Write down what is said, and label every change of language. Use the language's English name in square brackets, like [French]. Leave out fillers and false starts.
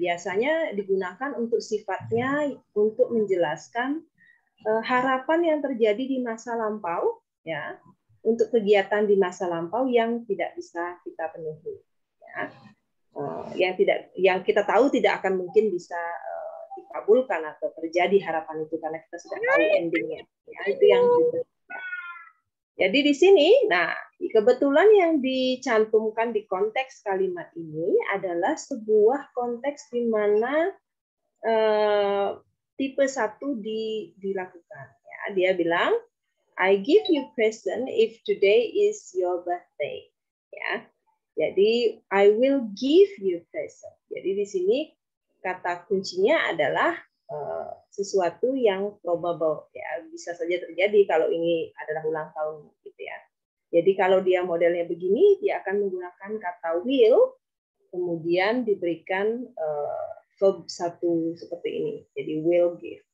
[Indonesian] Biasanya digunakan untuk sifatnya untuk menjelaskan harapan yang terjadi di masa lampau, ya, untuk kegiatan di masa lampau yang tidak bisa kita penuhi, ya, yang kita tahu tidak akan mungkin bisa dikabulkan atau terjadi harapan itu karena kita sudah tahu endingnya, ya, itu yang jadi di sini. Nah, kebetulan yang dicantumkan di konteks kalimat ini adalah sebuah konteks di mana tipe 1 dilakukan. Ya, dia bilang, [English] I give you present if today is your birthday. [Indonesian] Ya, jadi, [English] I will give you present. [Indonesian] Jadi, di sini kata kuncinya adalah sesuatu yang probable. Ya, bisa saja terjadi kalau ini adalah ulang tahun. Gitu ya. Jadi, kalau dia modelnya begini, dia akan menggunakan kata will, kemudian diberikan verb satu seperti ini, jadi will give.